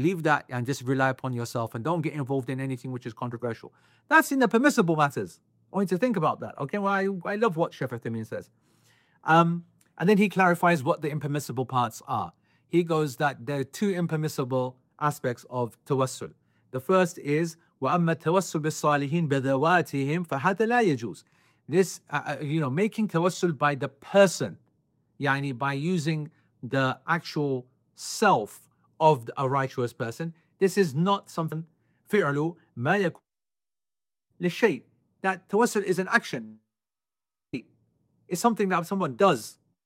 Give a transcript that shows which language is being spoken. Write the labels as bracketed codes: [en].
[en] Leave that and just rely upon yourself and don't get involved in anything which is controversial. That's in the permissible matters. I want you to think about that. Okay, well, I love what Sheikh Uthaymeen says. And then he clarifies what the impermissible parts are. He goes that there are two impermissible aspects of tawassul. The first is, [ar] وَأَمَّا التَّوَسُّلْ بِالصَّالِحِينَ بِذَوَاتِهِمْ فَهَذَا لَا يَجُوزُ. [en] This, you know, making tawassul by the person, yani by using the actual self of a righteous person, this is not something, [ar] فِعْلُ مَا يَكُونَ لِشَيْءٍ. [en] That tawassul is an action. It's something that someone does.